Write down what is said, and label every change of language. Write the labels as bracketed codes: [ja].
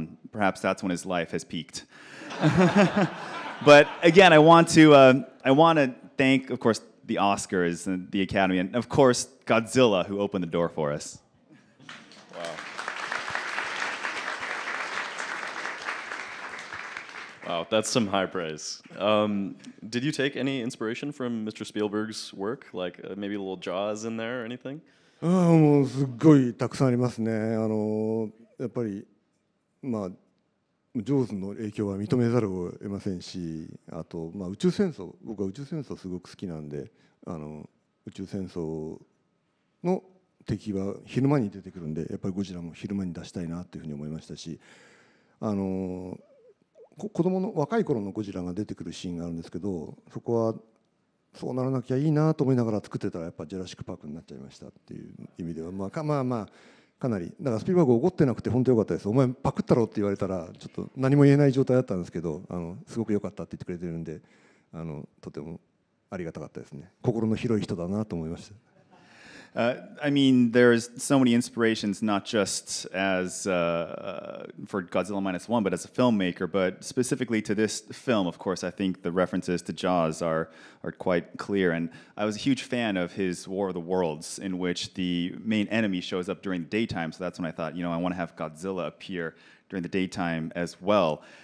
[en] Perhaps that's when his life has peaked. But again, I want to thank, of course, the Oscars and the Academy, and of course, Godzilla, who opened the door for us. Wow, that's some high praise. Did you take any inspiration from Mr. Spielberg's work? Like maybe a little Jaws in there or anything? [ja] Ah, もうすごいたくさんありますね。あのやっぱりまあジョーズの影響は認めざるを得ませんし、あとまあ宇宙戦争、僕は宇宙戦争すごく好きなんで、あの宇宙戦争の敵は昼間に出てくるんで、やっぱりゴジラも昼間に出したいなというふうに思いましたし、あの子供の若い頃のゴジラが出てくるシーンがあるんですけど、そこはそうならなきゃいいなと思いながら作ってたら、やっぱジュラシックパークになっちゃいましたっていう意味では、まあかまあまあかなり、だからスピルバーグ怒ってなくて本当に良かったです。お前パクったろって言われたらちょっと何も言えない状態だったんですけど、あのすごく良かったって言ってくれてるんで、あのとてもありがたかったですね。心の広い人だなと思いました。 [en] I mean, there's so many inspirations, not just as for Godzilla Minus One, but as a filmmaker. But specifically to this film, of course, I think the references to Jaws are quite clear. And I was a huge fan of his War of the Worlds, in which the main enemy shows up during the daytime. So that's when I thought, you know, I want to have Godzilla appear during the daytime as well.